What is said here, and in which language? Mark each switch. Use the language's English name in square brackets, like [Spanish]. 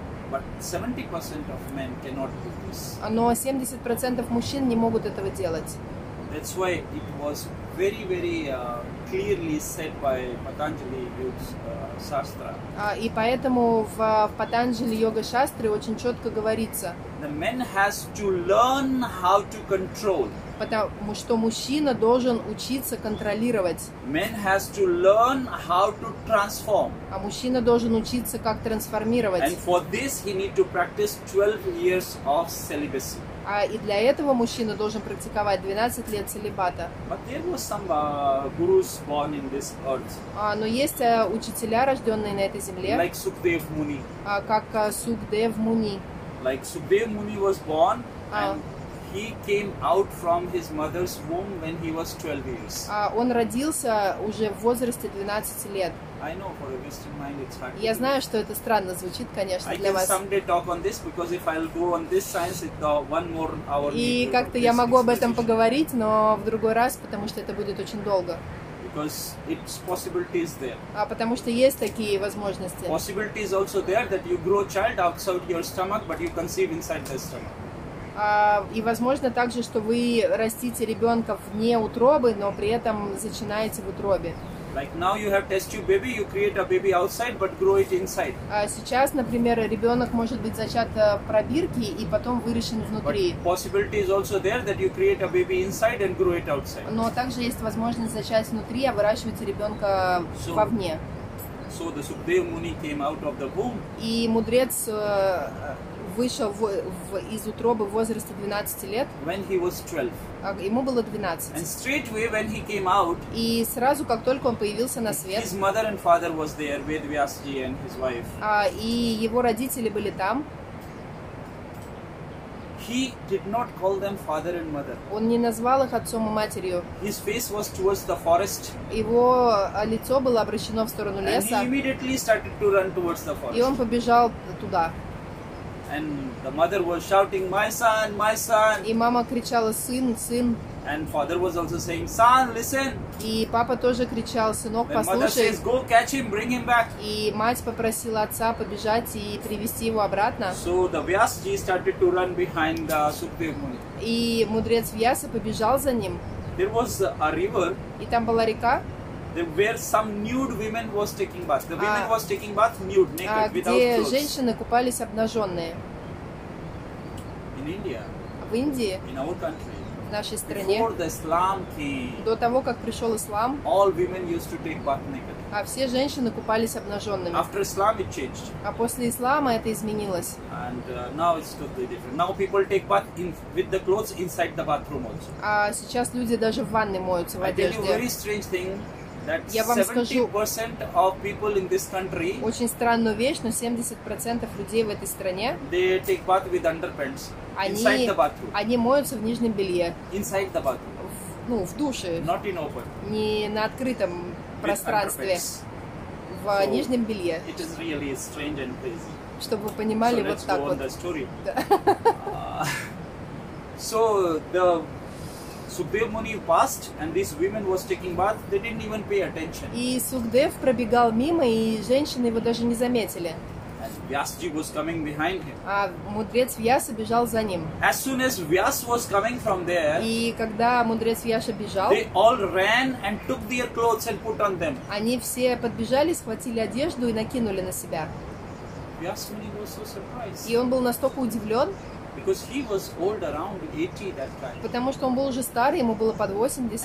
[English] But 70% of men cannot do this. [Russian] Но 70% мужчин не могут этого делать. [English] That's why it was very, very clearly said by Patanjali Yoga Shastra. [Russian] И поэтому в Патанджали Йога Шастре очень четко говорится. [English] The man has to learn how to control. [Russian] Потому что мужчина должен учиться контролировать. [English] Man has to learn how to transform. [Russian] А мужчина должен учиться, как трансформировать. [English] And for this he need to practice 12 years of celibacy. [Russian] И для этого мужчина должен практиковать 12 лет целибата. [English] But there was some gurus born in this earth. [Russian] Но есть учителя, рожденные на этой земле. [English] Like Sukhdev Muni. [Russian] Как Sukhdev Muni. [English] Like Sukhdev Muni was born and he came out from his mother's womb when he was 12 years. [Russian] Он родился уже в возрасте 12 лет. [English] I know for a Western mind it's hard. [Russian] Я знаю, что это странно звучит, конечно, для вас. [English] I can someday talk on this because if I'll go on this science, it's one more hour. [Russian] И как-то я могу об этом поговорить, но в другой раз, потому что это будет очень долго. [English] Because its possibilities there. [Russian] Потому что есть такие возможности. [English] Possibilities also there that you grow child outside your stomach, but you conceive inside the stomach. [Russian] И возможно также, что вы растите ребенка вне утробы, но при этом зачинаете в утробе. [English] Like now you have test tube baby, you create a baby outside, but grow it inside. [Russian] Сейчас, например, ребенок может быть зачат в пробирке и потом выращен внутри. [English] But possibility is also there that you create a baby inside and grow it outside. [Russian] Но также есть возможность зачать внутри, а выращивать ребенка вовне. [English] So the Sukhdev Muni came out of the womb. [Russian] И мудрец вышел из утробы в возрасте 12 лет. [English] When he was 12. [Russian] Ему было 12. [English] And straightway when he came out. [Russian] И сразу, как только он появился на свет. [English] His mother and father was there with Vyasji and his wife. [Russian] И его родители были там. [English] He did not call them father and mother. [Russian] Он не назвал их отцом и матерью. [English] His face was towards the forest. [Russian] Его лицо было обращено в сторону леса. [English] And he immediately started to run towards the forest. [Russian] И он побежал туда. [English] And the mother was shouting, "My son, my son!" [Russian] И мама кричала, сын, сын. [English] And father was also saying, "Son, listen!" [Russian] И папа тоже кричал, сынок, послушай. [English] Mother says, "Go catch him, bring him back." [Russian] И мать попросила отца побежать и привести его обратно. [English] So the Vyasji started to run behind the Sukadev Muni. [Russian] И мудрец Вьяса побежал за ним. [English] There was a river. [Russian] И там была река. [English] Where some nude women was taking bath. The women was taking bath nude, naked, without clothes. [Russian] Где женщины купались обнаженные? [English] In India. [Russian] В Индии. [English] In our country. [Russian] В нашей стране. [English] Before the Islam came. [Russian] До того, как пришел ислам. [English] All women used to take bath naked. [Russian] А все женщины купались обнаженными. [English] After Islam it changed. [Russian] А после ислама это изменилось. [English] And now it's totally different. Now people take bath in with the clothes inside the bathroom also. [Russian] А сейчас люди даже в ванной моются в одежде. [English] I tell you a very strange thing. [Russian] Я вам скажу, [English] of people in this country, [Russian] очень странную вещь, но 70% людей в этой стране, [English] they take bath with underpants, [Russian] они, [English] inside the bathroom, [Russian] они моются в нижнем белье, [English] inside the bathroom, [Russian] в душе, [English] not in open, [Russian] не на открытом [English] with [Russian] пространстве, [English] underpants. [Russian] В so нижнем белье. [English] It is really strange and crazy. [Russian] Чтобы вы понимали, [English] so [Russian] вот так вот. [English] The story. So the Sukadev Muni passed, and these women was taking bath. They didn't even pay attention. [Russian] И Сукдев пробегал мимо, и женщины его даже не заметили. [English] And Vyasji was coming behind him. [Russian] А мудрец Вьяса бежал за ним. [English] As soon as Vyas was coming from there, [Russian] и когда мудрец Вьяса бежал, [English] they all ran and took their clothes and put on them. [Russian] Они все подбежали, схватили одежду и накинули на себя. [English] Vyas Muni was so surprised. [Russian] И он был настолько удивлен. [English] Because he was old, around 80 that time. [Russian] Потому что он был уже старый, ему было под 80.